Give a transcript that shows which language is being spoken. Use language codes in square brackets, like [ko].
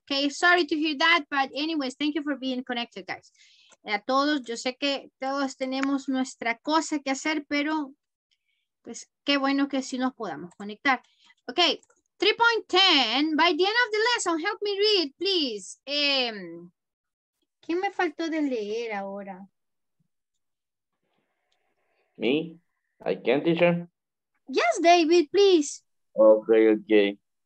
[en] Okay, sorry to hear that, but anyways, thank you for being connected, guys. [es] A todos, yo sé que todos tenemos nuestra cosa que hacer, pero pues qué bueno que sí nos podamos conectar. [en] Okay, 3.10, by the end of the lesson, help me read, please. [es] ¿Quién me faltó de leer ahora? [en] Me? I can, teacher? Yes, David, please. Okay, okay.